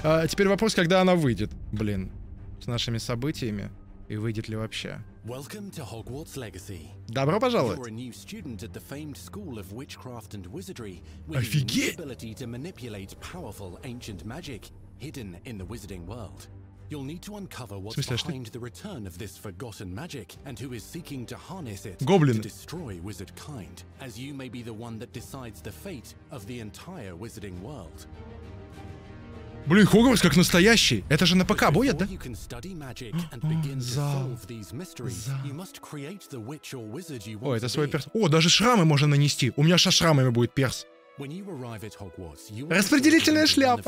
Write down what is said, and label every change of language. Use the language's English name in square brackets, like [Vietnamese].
[Russian] Теперь вопрос, когда она выйдет, блин, с нашими событиями. И выйдет ли вообще? [English] Welcome to Hogwarts Legacy. [Russian] Добро пожаловать! [English] You're a new student at the famed school of witchcraft and wizardry. [Russian] Офигеть! [English] Ability to manipulate powerful ancient magic hidden in the wizarding world. You'll need to uncover what's behind the return of this forgotten magic and who is seeking to harness it to destroy wizardkind, as you may be the one that decides the fate of the entire wizarding world. [Russian] Блин, Хогвартс как настоящий. Это же на ПК будет, да? [English] You can study magic and begin to solve these mysteries. You must create the witch or wizard you want. [Russian] О, это свой перс. О, даже шрамы можно нанести. У меня сейчас шрамами будет перс. [English] When you arrive at Hogwarts, you are [Russian] распределительная шляпа.